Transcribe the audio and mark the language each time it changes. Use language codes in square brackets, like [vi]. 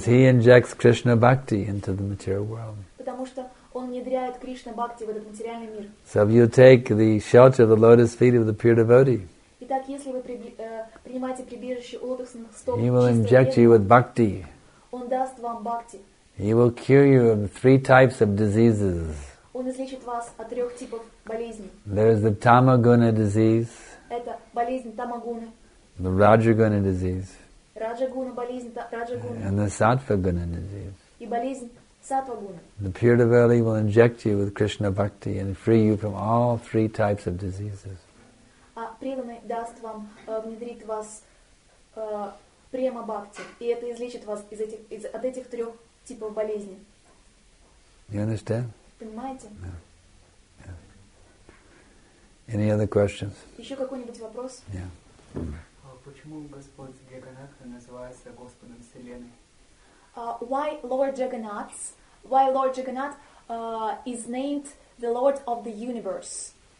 [en] Because he injects Krishna bhakti into the material world. [ru] Потому что он внедряет Кришна бхакти в этот материальный мир. [en] So if you take the shelter of the lotus feet of the pure devotee. [ru] Итак, если вы принимаете прибежище у лотосных стоп, [en] he will inject you with bhakti. [ru] Он даст вам бхакти. [en] He will cure you of three types of diseases. [ru] Он излечит вас от трех типов болезней. [en] There is the tamaguna disease. [ru] Это болезнь тамагуны. [en] The rajaguna disease. [ru] Раджагуна болезнь раджагуна. [en] And the сатвагуна disease. [ru] И болезнь сатвагуна. [en] The pure devotee will inject you with Krishna bhakti and free you from all three types of diseases. [ru] А преданный даст вам, внедрит вас према бхакти, и это излечит вас из этих, из, от этих трех типов болезней. [en] You understand? [ru] Понимаете? [en] Yeah. Yeah. Any other questions? [ru] Еще какой-нибудь вопрос? [en] Yeah. [ru] Почему Господь Джаганнатх называется Господом Вселенной? [en] Why Lord Jagannath is named the Lord of the Universe?